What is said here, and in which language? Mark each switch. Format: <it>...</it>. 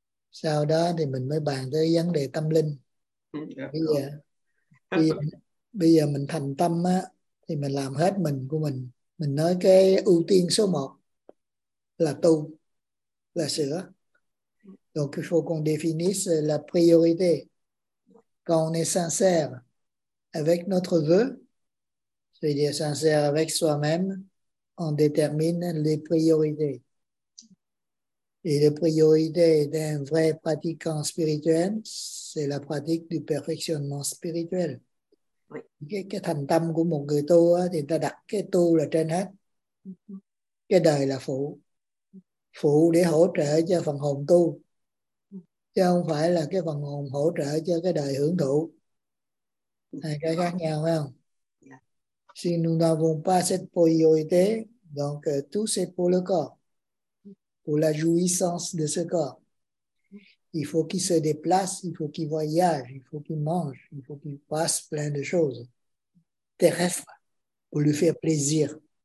<vi>Sau đó thì mình mới bàn tới vấn đề tâm linh. Bây giờ mình thành tâm á, thì mình làm hết mình của mình. Mình nói cái ưu tiên số một là tu, là sửa.</vi> <fr>Donc, il faut qu'on définisse la priorité. Quand on est sincère avec notre vœu, c'est-à-dire sincère avec soi-même, on détermine les priorités. Et les priorités d'un vrai pratiquant spirituel, c'est la pratique du perfectionnement spirituel. Oui.</fr> <vi>Cái thành tâm của một người tu, thì ta đặt cái tu là trên hết. Cái đời là phụ. Phụ để hỗ trợ cho phần hồn tu. Chứ không phải là cái phần hồn hỗ trợ cho cái đời hưởng thụ. Hai cái khác nhau, phải không?</vi> <fr>Si nous n'avons pas cette priorité, donc tout c'est pour le corps, pour la jouissance de ce corps. Il faut qu'il se déplace, il faut qu'il voyage, il faut qu'il mange, il faut qu'il passe plein de choses terrestres pour lui faire plaisir.</fr>